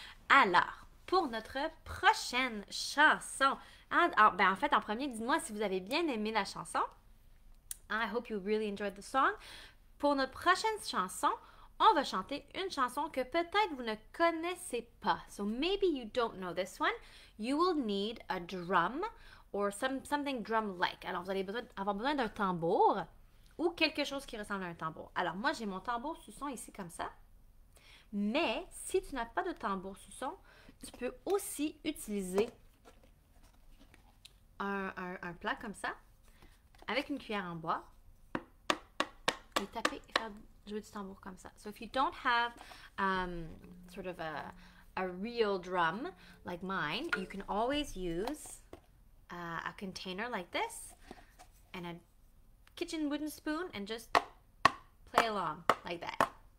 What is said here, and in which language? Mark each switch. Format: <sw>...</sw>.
<fr>Alors, pour notre prochaine chanson, en fait, en premier, dites-moi si vous avez bien aimé la chanson.</fr> <en>I hope you really enjoyed the song.</en> <fr>Pour notre prochaine chanson, on va chanter une chanson que peut-être vous ne connaissez pas.</fr> <en>So maybe you don't know this one. You will need a drum or something drum-like.</en> <fr>Alors, vous allez avoir besoin d'un tambour ou quelque chose qui ressemble à un tambour. Alors, moi, j'ai mon tambour sous son ici comme ça. Mais si tu n'as pas de tambour sous son, tu peux aussi utiliser un plat comme ça, avec une cuillère en bois, et taper et faire jouer du tambour comme ça.</fr> <en>So if you don't have sort of a real drum like mine, you can always use a container like this and a kitchen wooden spoon and just play along like that.</en>